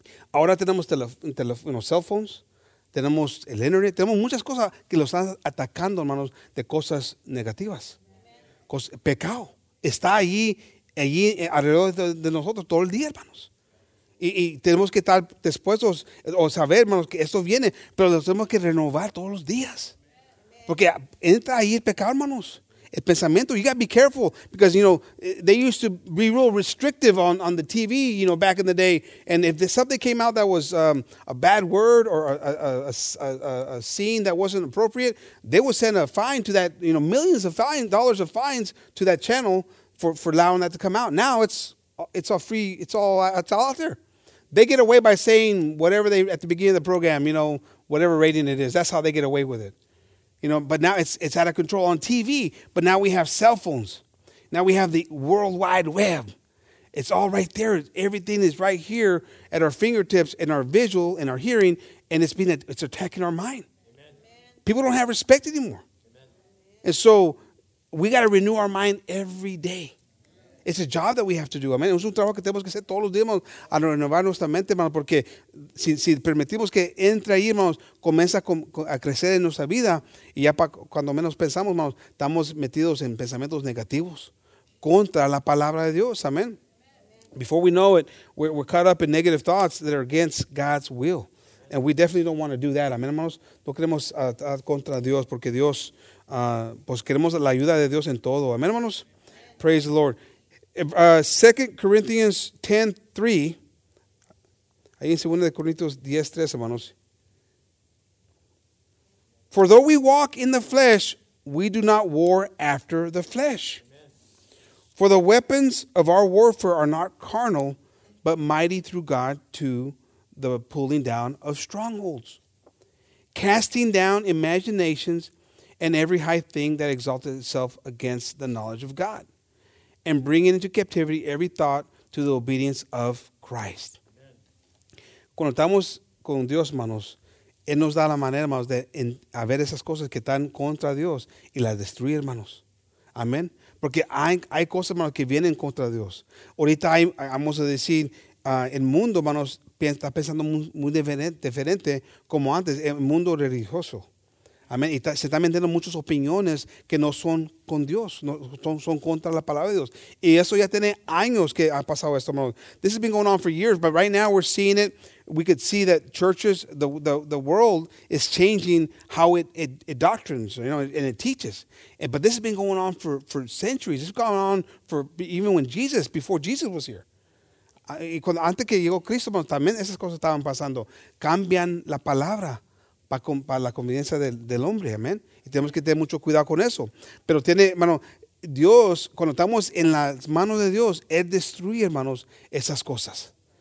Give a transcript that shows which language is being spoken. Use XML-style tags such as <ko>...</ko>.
<es>Ahora tenemos cell phones, tenemos el internet, tenemos muchas cosas que lo están atacando, hermanos, de cosas negativas. Pecado está allí alrededor de nosotros todo el día, hermanos. Y tenemos que estar dispuestos o saber, hermanos, que esto viene, pero lo tenemos que renovar todos los días. Porque entra ahí el pecado, hermanos. El pensamiento,</es> <en>you got to be careful because, you know, they used to be real restrictive on the TV, you know, back in the day. And if something came out that was a bad word or a scene that wasn't appropriate, they would send a fine to that, you know, millions of dollars of fines to that channel for allowing that to come out. Now it's all free. It's all out there. They get away by saying whatever they at the beginning of the program, you know, whatever rating it is. That's how they get away with it. You know, but now it's out of control on TV. But now we have cell phones. Now we have the World Wide Web. It's all right there. Everything is right here at our fingertips and our visual and our hearing. And it's attacking our mind. Amen. People don't have respect anymore. Amen. And so we got to renew our mind every day. It's a job that we have to do. Amen.</en> <es>Es un trabajo que tenemos que hacer todos los días a renovar nuestra mente, hermano, porque si permitimos que entre ahí, hermanos, comienza a crecer en nuestra vida y ya cuando menos pensamos, hermanos, estamos metidos en pensamientos negativos contra la palabra de Dios.</es> <en>Amen. Before we know it, we're caught up in negative thoughts that are against God's will. And we definitely don't want to do that.</en> <es>Amen, hermanos. No queremos estar contra Dios porque Dios, pues queremos la ayuda de Dios en todo.</es> <en>Amen,</en> <es>hermanos.</es> <en>Praise the Lord. 2 Corinthians 10:3.</en> <es>Ahí en 2 Corintios 10:3, hermanos.</es> <en>For though we walk in the flesh, we do not war after the flesh. Amen. For the weapons of our warfare are not carnal, but mighty through God to the pulling down of strongholds, casting down imaginations and every high thing that exalted itself against the knowledge of God. And bringing into captivity every thought to the obedience of Christ. Amen.</en> <es>Cuando estamos con Dios, hermanos, Él nos da la manera, hermanos, de ver esas cosas que están contra Dios y las destruir, hermanos. Amén. Porque hay cosas, hermanos, que vienen contra Dios. Ahorita vamos a decir, el mundo, hermanos, está pensando muy diferente como antes, el mundo religioso. Amén. Y se están vendiendo muchas opiniones que no son con Dios, no son contra la palabra de Dios. Y eso ya tiene años que ha pasado esto.</es> <en>This has been going on for years, but right now we're seeing it. We could see that churches, the world is changing how it doctrines, you know, and it teaches. But this has been going on for centuries. It's gone on for even when Jesus, before Jesus was here.</en> <es>Y cuando antes que llegó Cristo, también esas cosas estaban pasando. Cambian la palabra. Para la conveniencia del hombre, amén. Y tenemos que tener mucho cuidado con eso. Pero tiene, hermano, Dios, cuando estamos en las manos de Dios, Él destruye, hermanos, esas cosas.</es>